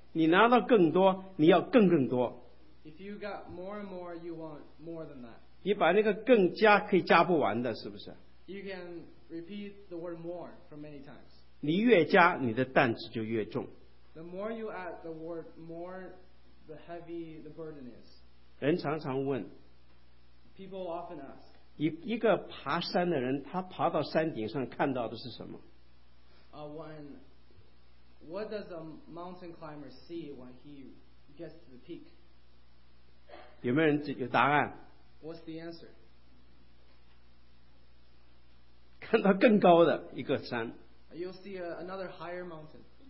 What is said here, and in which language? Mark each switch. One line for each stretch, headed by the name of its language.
Chinese: 你拿到更多，你要更多。
English: If you got more and more, you want more than that.
Chinese: 你把那个更加可以加不完的，是不是？
English: You can repeat the word more for many times.
Chinese: 你越加，你的担子就越重。
English: The more you add the word more, the heavy the burden is.
Chinese: 人常常问。
English: People often ask.
Chinese: 一个爬山的人，他爬到山顶上看到的是什么？
English: What does a mountain climber see when he gets to the peak?
Chinese: 有没有人有答案？
English: What's the answer?
Chinese: 看到更高的一个山。
English: You'll see another higher mountain.